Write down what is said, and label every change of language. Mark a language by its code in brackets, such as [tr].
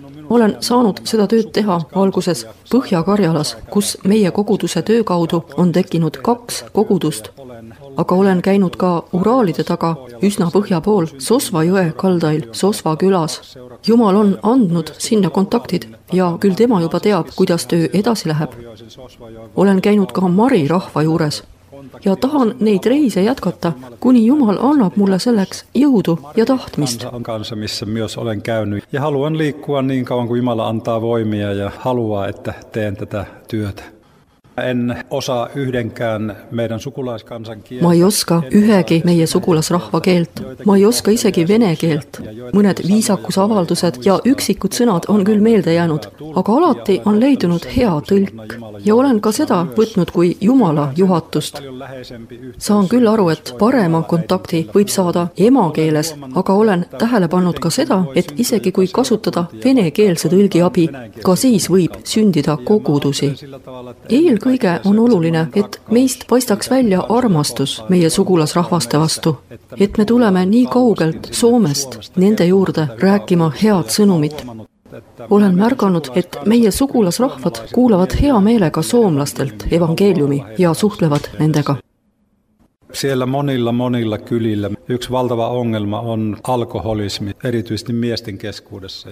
[et] Olen saanud seda tööd teha alguses Põhja-Karjalas, kus meie koguduse töö kaudu on tekinud kaks kogudust, aga olen käinud ka Uraalide taga üsna põhja pool Sosva jõe kaldail Sosva külas. Jumal on andnud sinna kontaktid ja küll tema juba teab, kuidas töö edasi läheb. Olen käinud ka Mari rahva juures ja tahan neid reise jätkata, kuni Jumal annab mulle selleks jõudu ja tahtmist. [fi] On kanssa, missä myös olen käynyt ja haluan liikkua niin kauan kuin Jumala antaa voimia ja haluaa, että teen tätä työtä. En osaa yhdenkään meidän sukulaiskansan kieltä. [et] Ma ei oska ühegi meie sukulasrahva keelt. Ma ei oska isegi vene keelt. Mõned viisakusavaldused ja üksikud sõnad on küll meelde jäänud, aga alati on leidunud hea tõlk. Ja olen ka seda võtnud kui Jumala juhatust. Saan küll aru, et parema kontakti võib saada emakeeles, aga olen tähele pannud ka seda, et isegi kui kasutada venekeelse tõlgi abi, ka siis võib sündida kogudusi. Kõige on oluline, et meist paistaks välja armastus meie sugulasrahvaste vastu, et me tuleme nii kaugelt Soomest nende juurde rääkima head sõnumit. Olen märganud, et meie sugulasrahvad kuulavad hea meelega soomlastelt evangeeliumi ja suhtlevad nendega. [fi] Siellä monilla kylillä yksi valtava ongelma on alkoholismi, erityisesti miesten keskuudessa.